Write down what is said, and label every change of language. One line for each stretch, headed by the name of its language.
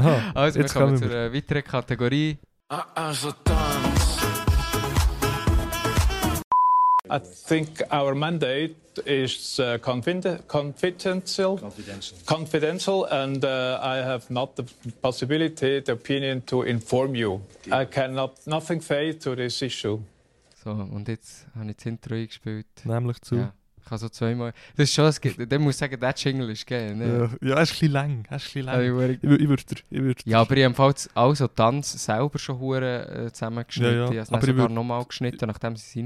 German: Aha, also, jetzt kommen wir zu einer weiteren Kategorie. Also, Tanz.
English: I think our mandate is confidential and I have not the possibility, the opinion to inform you. I cannot nothing say to this issue.
German: So, und jetzt habe ich das Intro eingespielt. Nämlich zu. Ja. Ich kann so zweimal. Das ist schon das Gefühl. Der muss sagen, der Jingle ist geil. Ne? Ja, er ist ein bisschen lang. Ich würde. Ja, aber ich habe also Tanz selber schon hure zusammengeschnitten. Ja, ja. Also aber ich habe es nochmal geschnitten, nachdem sie es rein